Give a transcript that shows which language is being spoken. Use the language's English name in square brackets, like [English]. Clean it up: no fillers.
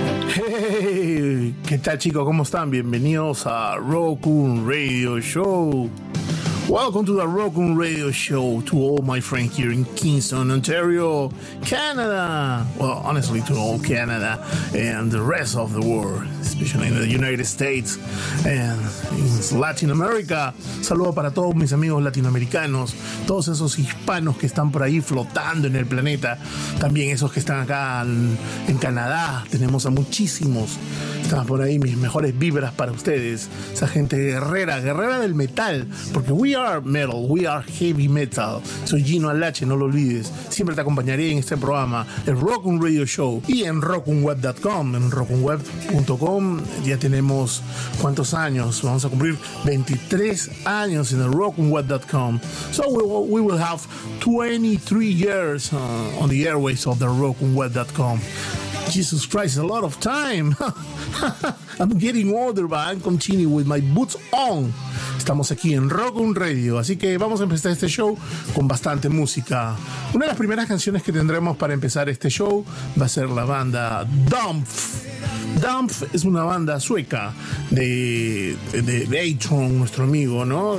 [Spanish] Hey, ¿qué tal, chicos? ¿Cómo están? Bienvenidos a Raccoon Radio Show. [English] Welcome to the Raccoon Radio Show to all my friends here in Kingston, Ontario, Canada. Well, honestly, to all Canada and the rest of the world, especially in the United States and in Latin America. [Spanish] Saludos para todos mis amigos latinoamericanos, todos esos hispanos que están por ahí flotando en el planeta. También esos que están acá en Canadá. Tenemos a muchísimos. Están por ahí mis mejores vibras para ustedes. Esa gente guerrera, guerrera del metal, porque [English] we are metal, we are heavy metal. [Spanish] Soy Gino Alache, no lo olvides. Siempre te acompañaré en este programa, el Raccoon Radio Show, y en raccoonweb.com. En raccoonweb.com ya tenemos, ¿cuántos años? Vamos a cumplir 23 años en el raccoonweb.com. [English] So we will have 23 years on the airways of the raccoonweb.com. Jesus Christ, a lot of time. I'm getting older, but I'm continuing with my boots on. [Spanish] Estamos aquí en Raccoon Radio, así que vamos a empezar este show con bastante música. Una de las primeras canciones que tendremos para empezar este show va a ser la banda Dumpf. Dumpf es una banda sueca de Atron, nuestro amigo, ¿no?